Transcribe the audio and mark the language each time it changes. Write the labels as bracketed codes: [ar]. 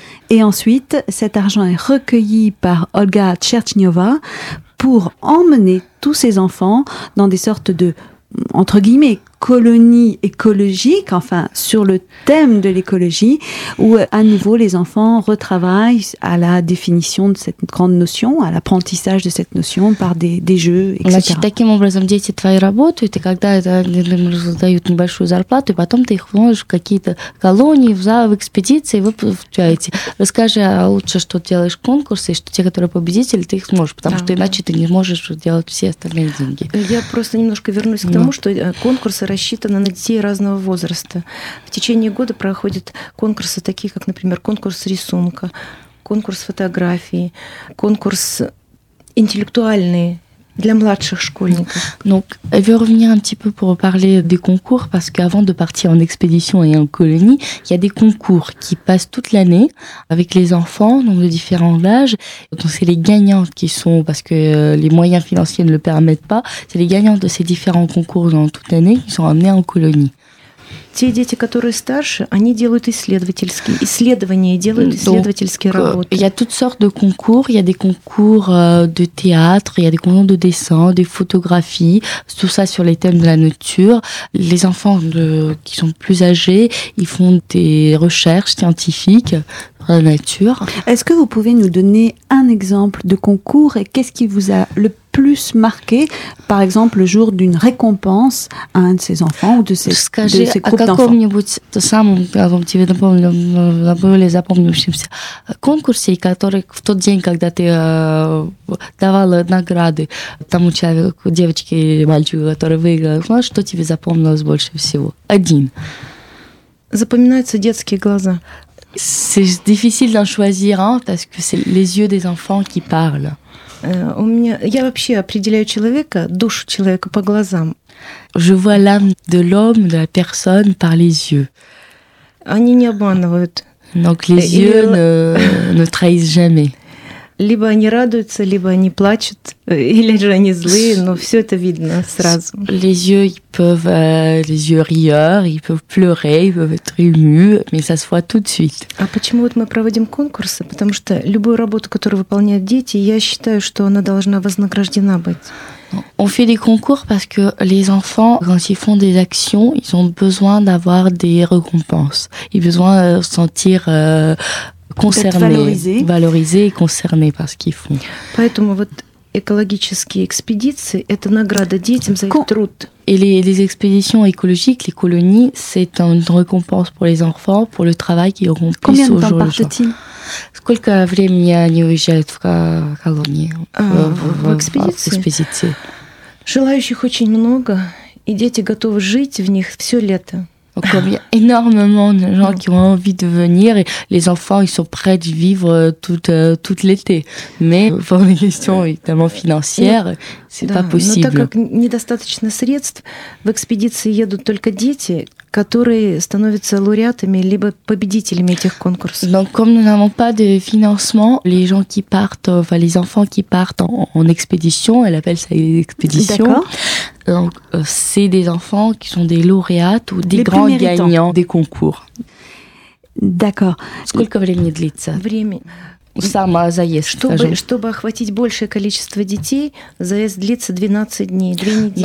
[fr] Et ensuite, cet argent est recueilli par Olga Tcherchnyova pour emmener tous ces enfants dans des sortes de, entre guillemets, colonie écologique, enfin sur le thème de l'écologie, où à nouveau les enfants retravaillent à la définition de cette grande notion, à l'apprentissage de cette notion par des jeux, etc. [ru] Значит, таким образом дети твои работают, и когда им дают небольшую зарплату, и потом ты их вводишь в какие-то колонии, в экспедиции, вы получаете. Расскажи лучше, что делаешь конкурсы, и что те, которые победители, ты их сможешь, потому что иначе ты не можешь делать все остальные деньги. Я просто немножко вернусь к тому, что конкурсы рассчитаны на детей разного возраста. В течение года проходят конкурсы такие, как, например, конкурс рисунка, конкурс фотографии, конкурс интеллектуальный для младших школьников. [fr] Donc, je vais revenir un petit peu pour parler des concours, parce qu'avant de partir en expédition et en colonie, il y a des concours qui passent toute l'année avec les enfants, donc de différents âges. Donc, c'est les gagnantes qui sont, parce que les moyens financiers ne le permettent pas, c'est les gagnantes de ces différents concours dans toute l'année qui sont amenées en colonie. [ru] Те дети, которые старше, они делают исследовательские исследования, делают исследовательские [fr] Donc, [ru] работы. [fr] Il y a toutes sortes de concours, il y a des concours de théâtre, il y a des concours de dessin, des photographies, tout ça sur les thèmes de la nature. Les enfants de, qui sont plus âgés, ils font des recherches scientifiques sur la nature. Est-ce que vous pouvez nous donner un exemple de concours et qu'est-ce qui vous a le plus marqué, par exemple, le jour d'une récompense à un de ses enfants ou de ses groupes d'enfants. [ru] Скажи, о каком-нибудь самом, о тебе наиболее запомнившемся конкурсе, который в тот день, когда ты давала награды тому человеку, девочке или мальчику, который выиграл, что тебе запомнилось больше всего? Один. Запоминаются детские глаза. [fr] C'est difficile d'en choisir un, parce que c'est les yeux des enfants qui parlent. [ru] У меня, я вообще определяю человека, душу человека по глазам. [fr] Je vois l'âme de l'homme, de la personne par les yeux. [ru] Они не обманывают. [fr] Donc les yeux ne trahissent jamais. [ru] Либо они радуются, либо они плачут, или же они злые, но все это видно сразу. [fr] Les yeux, ils peuvent, les yeux rieurs, ils peuvent pleurer, ils peuvent être émus, mais ça se voit tout de suite. [ru] А почему вот мы проводим конкурсы? Потому что любую работу, которую выполняют дети, я считаю, что она должна вознаграждена быть. [fr] On fait des concours parce que les enfants, quand ils font des actions, ils ont besoin d'avoir des récompenses. Ils ont besoin de sentir concernés, valorisés et concernés par ce qu'ils font. [ru] Поэтому вот экологические экспедиции – это награда детям за их труд. [fr] Et les expéditions écologiques, les colonies, c'est une récompense pour les enfants, pour le travail qu'ils auront pu faire au jour le jour. Combien de temps partent-ils? [ru] Сколько времени они уезжают в колонии, в экспедиции? Желающих очень много, и дети готовы жить в них все лето. [fr] Comme il y a énormément de gens qui ont envie de venir et les enfants, ils sont prêts de vivre toute l'été. Mais pour des questions évidemment financières, c'est pas possible. Mais comme il n'y a pas suffisamment de moyens, dans l'expédition, ils viennent seulement les enfants qui deviennent lauréats ou gagnants de ces concours. Donc, comme nous n'avons pas de financement, les gens qui partent, enfin les enfants qui partent en expédition, elle appelle ça une expédition. D'accord. Donc, c'est des enfants qui sont des lauréates ou des grands gagnants des concours. D'accord. [ru] Сколько времени длится? Время. Сама заезд, скажем. Чтобы охватить большее количество детей, заезд длится 12 дней, 2 недели.